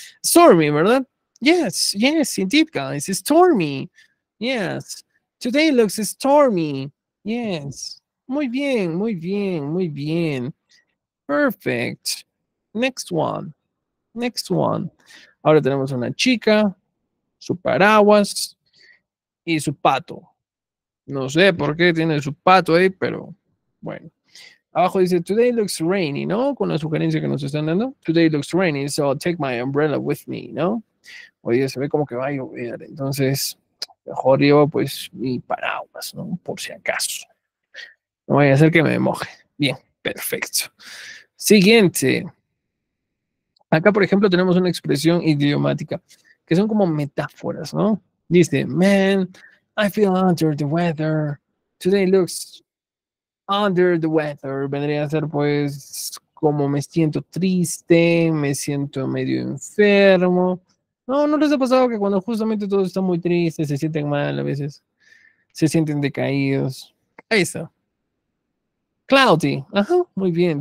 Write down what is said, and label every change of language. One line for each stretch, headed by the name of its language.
Spanish: Stormy, ¿verdad?
English: Yes, indeed, guys, stormy, yes,
Spanish: today looks stormy, yes, muy bien,
English: perfect, next one,
Spanish: ahora tenemos a una chica, su paraguas y su pato. No sé por qué tiene su pato ahí, pero bueno. Abajo dice,
English: today looks rainy,
Spanish: ¿no? Con la sugerencia que nos están dando.
English: Today looks rainy, so I'll take my umbrella with me, ¿no?
Spanish: Hoy día se ve como que va a llover. Entonces, mejor llevo pues mi paraguas, ¿no? Por si acaso. No vaya a ser que me moje. Bien, perfecto. Siguiente. Acá, por ejemplo, tenemos una expresión idiomática, que son como metáforas, ¿no?
English: Dice, man, I feel under the weather. Today looks under the weather.
Spanish: Vendría a ser pues como me siento triste, me siento medio enfermo. ¿No les ha pasado que cuando justamente todo está muy triste, se sienten mal a veces? Se sienten decaídos. Ahí está. Cloudy. Ajá, muy bien.